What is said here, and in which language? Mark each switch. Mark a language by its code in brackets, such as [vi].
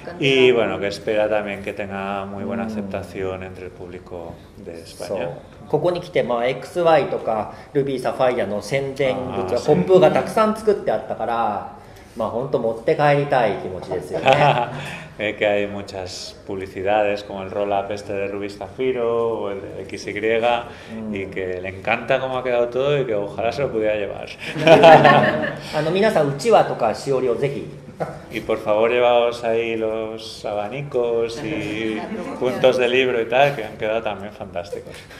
[es] Y bueno, que espera también que tenga muy buena aceptación entre el público de España. [ja] ここに来て、まあ、XY とかルビーサファイアの宣伝物がポップがたくさん作ってあったから、まあ、本当持って帰りたい気持ちですよね。 [es] que hay muchas publicidades como el roll up este de Rubí Zafiro o el de XY y que le encanta cómo ha quedado todo y que ojalá se lo pudiera llevar. [ja] 皆さんうちわとかしおりをぜひ。 [es] Y por favor llevaos ahí los abanicos y puntos de libro y tal que han quedado también fantásticos.